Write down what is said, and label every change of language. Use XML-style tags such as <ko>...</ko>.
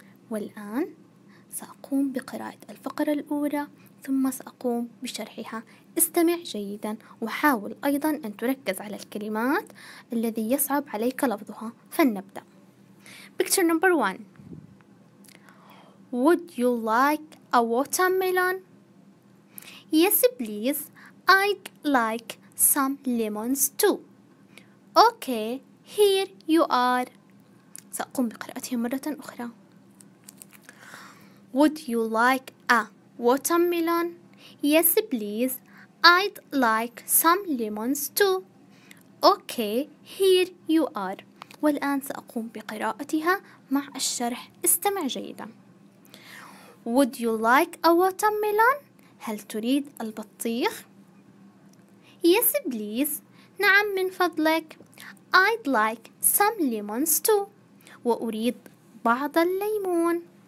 <ar>والآن سأقوم بقراءة الفقرة الأولى ثم سأقوم بشرحها. استمع جيدا وحاول أيضا أن تركز على الكلمات الذي يصعب عليك لفظها. فلنبدأ.</ar> <en>Picture number one. Would you like a watermelon? Yes, please. I'd like some lemons too. Okay, here you are.</en> <ar>سأقوم بقراءتها مرة أخرى.</ar> <en>Would you like a watermelon? Yes, please. I'd like some lemons too. Okay, here you are.</en> <ar>والآن سأقوم بقراءتها مع الشرح. استمع جيدا.</ar> <en>Would you like a watermelon?</en> <ar>هل تريد البطيخ؟</ar> <en>Yes, please.</en> <ar>نعم من فضلك.</ar> <en>I'd like some lemons too.</en> <ar>وأريد بعض الليمون.</ar>